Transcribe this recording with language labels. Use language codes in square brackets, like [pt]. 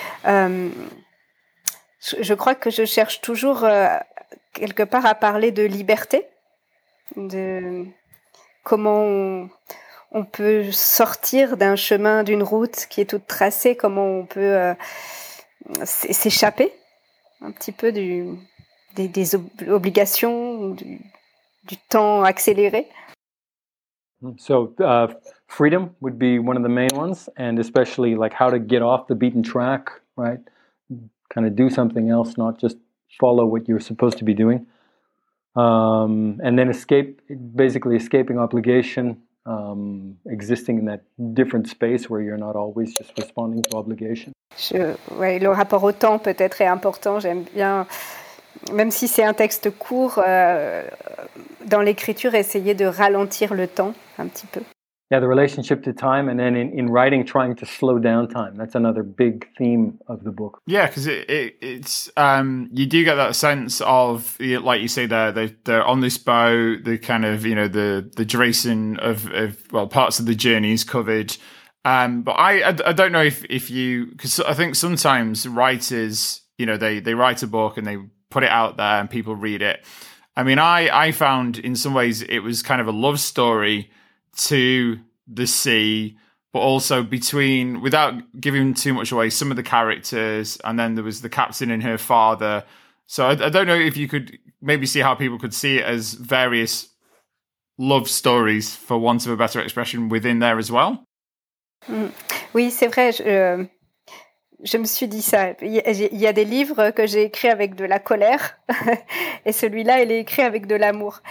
[fr] Je crois que je cherche toujours quelque part à parler de liberté, de comment on peut sortir d'un chemin, d'une route qui est toute tracée, comment on peut s'échapper un petit peu des obligations, du temps accéléré. [en] So, freedom would be one of the main ones, and especially like how to get off the beaten track, right? Kind of do something else, not just follow what you're supposed to be doing. And then escape, basically escaping obligation, existing in that different space where you're not always just responding to obligation. [fr] Ouais, le rapport au temps peut-être est important. J'aime bien, même si c'est un texte court, dans l'écriture, essayer de ralentir le temps un petit peu. [en] Yeah, the relationship to time, and then in writing, trying to slow down time. That's another big theme of the book. Yeah, because it's you do get that sense of, like you say, they're on this boat, the kind of, you know, the duration of well, parts of the journey is covered. But I don't know if you, because I think sometimes writers, you know, they write a book and they put it out there and people read it. I mean, I found in some ways it was kind of a love story to the sea, but also between, without giving too much away, some of the characters, and then there was the captain and her father. So I don't know if you could maybe see how people could see it as various love stories, for want of a better expression, within there as well. [fr] Oui, c'est vrai, je me suis dit ça. Il y a des livres que j'ai écrits avec de la colère et celui-là, il est écrit avec de l'amour.